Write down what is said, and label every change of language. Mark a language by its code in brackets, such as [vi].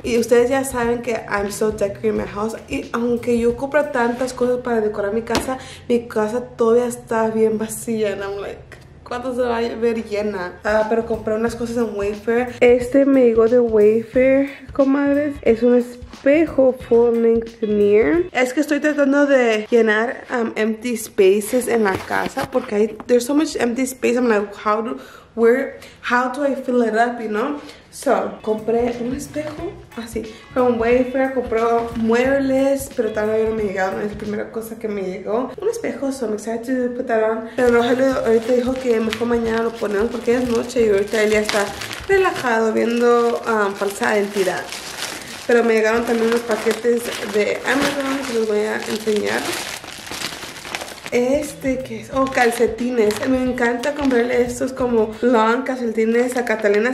[es] Y ustedes ya saben que [en] I'm so decorating my house. [es] Y aunque yo compro tantas cosas para decorar mi casa todavía está bien vacía. [en] And I'm like, [es] ¿cuándo se va a ver llena? Pero compré unas cosas en Wayfair. Este me llegó de Wayfair, comadres. Es un espejo full-length mirror. Es que estoy tratando de llenar [en] empty spaces [es] en la casa. [en] Porque there's so much empty space. I'm like, how do I fill it up, you know? [es] So, compré un espejo así. From Wayfair, compré muebles. Pero todavía no me llegaron. Es la primera cosa que me llegó. Un espejo, [en] so I'm excited to put that on. [es] Pero Rogelio ahorita dijo que mejor mañana lo ponemos porque es noche. Y ahorita él ya está relajado viendo falsa identidad. Pero me llegaron también unos paquetes de Amazon que les voy a enseñar. Este que es, calcetines. Me encanta comprarle estos como long calcetines a Catalina.